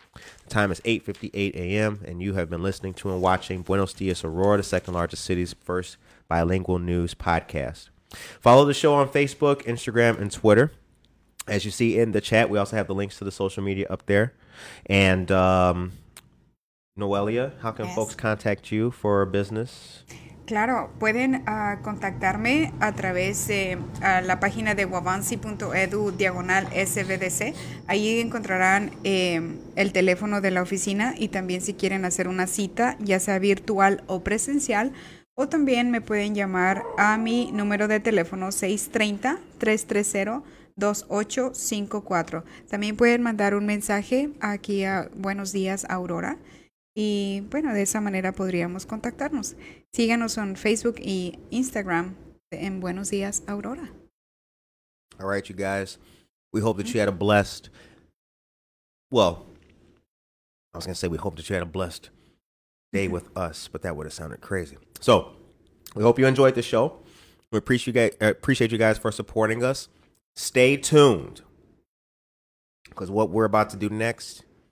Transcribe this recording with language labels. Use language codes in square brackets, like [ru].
[en] The time is 8:58 a.m., and you have been listening to and watching Buenos Dias Aurora, the second largest city's first bilingual news podcast. Follow the show on Facebook, Instagram, and Twitter. As you see in the chat, we also have the links to the social media up there. And Noelia, how can folks contact you for business? [es] Claro, pueden contactarme a través de la página de wavansi.edu/sbdc. Ahí encontrarán el teléfono de la oficina, y también si quieren hacer una cita, ya sea virtual o presencial, o también me pueden llamar a mi número de teléfono 630-330-2854. También pueden mandar un mensaje aquí a Buenos Días Aurora. Y bueno, de esa manera podríamos contactarnos. Síganos en Facebook y Instagram en Buenos Días Aurora. [en] All right, you guys. We hope that you had a blessed... Well, I was going to say we hope that you had a blessed day with us, but that would have sounded crazy. So, we hope you enjoyed the show. We appreciate you guys for supporting us. Stay tuned. Because what we're about to do next...